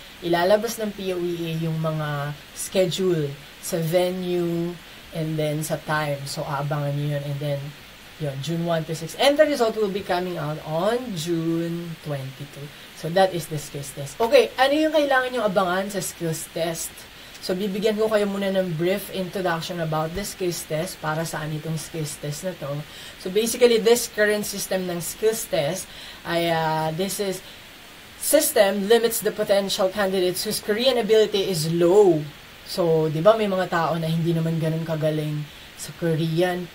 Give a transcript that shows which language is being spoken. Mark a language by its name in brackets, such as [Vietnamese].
[Filipino] Ilalabas ng POEA yung mga schedule sa venue and then sa time. So, abangan nyo yun. And then, yun, June 1 to 6. [English] And the result will be coming out on June 22. So, that is the skills test. Okay, [Filipino] ano yung kailangan nyo abangan sa skills test? So, bibigyan ko kayo muna ng [English] brief introduction about the skills test [Filipino] para saan itong skills test na to. [English] So, basically, this current system ng skills test ay, this is, system limits the potential candidates whose Korean ability is low. [Filipino] So, di ba may mga tao na hindi naman ganun kagaling sa Korean.